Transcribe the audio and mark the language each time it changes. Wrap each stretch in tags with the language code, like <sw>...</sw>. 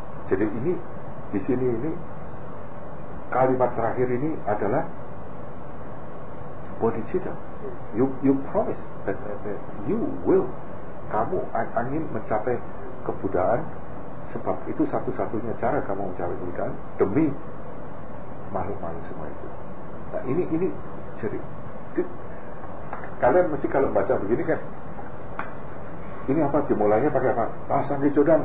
<id>Jadi ini di sini ini kalimat terakhir ini adalah bodhicitta.</id> <en>You promise that you will.</en> <id>Kamu ingin mencapai kebudaan, sebab itu satu-satunya cara kamu mencapai kebudaan demi makhluk-makhluk semua itu. Nah, ini jadi kalian mesti kalau baca begini kan, ini apa dimulainya pakai apa? Sangge Codam.</id>